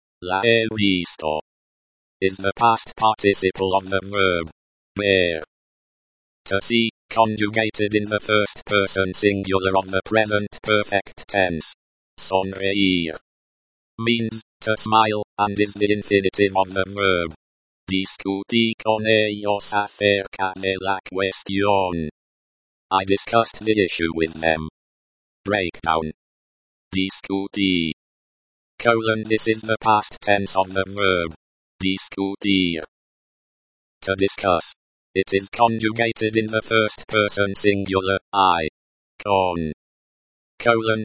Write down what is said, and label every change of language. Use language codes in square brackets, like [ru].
[en] La he visto is the past participle of the verb ver, to see, conjugated in the first person singular of the present perfect tense. Sonreír means to smile and is the infinitive of the verb. [es] Discutí con ellos acerca de la cuestión. [en] I discussed the issue with them. Breakdown. Discutí colon, this is the past tense of the verb discutir, to discuss. It is conjugated in the first person singular, I, con, colon.